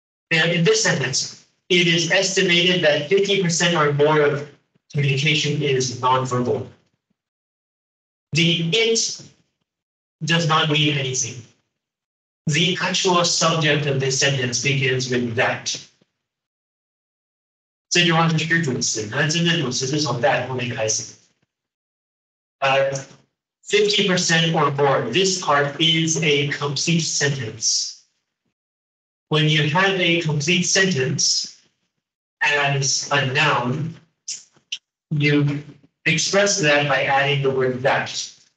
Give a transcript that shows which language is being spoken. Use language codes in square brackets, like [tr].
[en] And in this sentence, it is estimated that 50% or more of communication is nonverbal. The it does not mean anything. The actual subject of this sentence begins with that. [zh] 这句话是主词，那真正主词是从that后面开始。 [en] 50% or more, this part is a complete sentence. When you have a complete sentence as a noun, you express that by adding the word that.